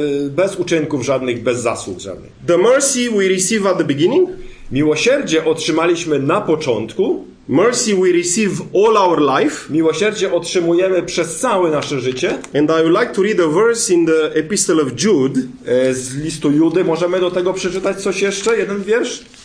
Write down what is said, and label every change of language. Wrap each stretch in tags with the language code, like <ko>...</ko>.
<pl>Bez uczynków żadnych, bez zasług żadnych.</pl> <en>The mercy we receive at the beginning.</en> <pl>Miłosierdzie otrzymaliśmy na początku.</pl> <en>Mercy we receive all our life.</en> <pl>Miłosierdzie otrzymujemy przez całe nasze życie.</pl> <en>And I would like to read a verse in the Epistle of Jude.</en> <pl>Z listu Judy możemy do tego przeczytać coś jeszcze, jeden wiersz.</pl>